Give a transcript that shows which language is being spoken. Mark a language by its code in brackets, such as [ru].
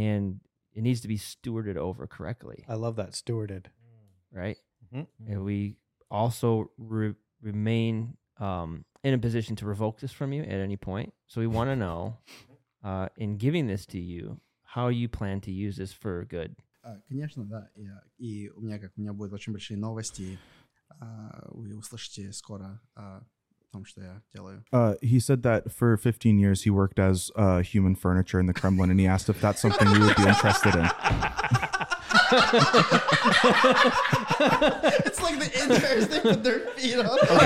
[en] And it needs to be stewarded over correctly. I love that, stewarded. Right? Mm-hmm. And we also remain in a position to revoke this from you at any point. So we want to know, in giving this to you, how you plan to use this for good. [ru] Конечно, да. И у меня как у меня будут очень большие новости. Вы услышите скоро о том, что я делаю. [en] He said that for 15 years he worked as human furniture in the Kremlin, and he asked if that's something you would be interested in. It's like the interns, they put their feet up.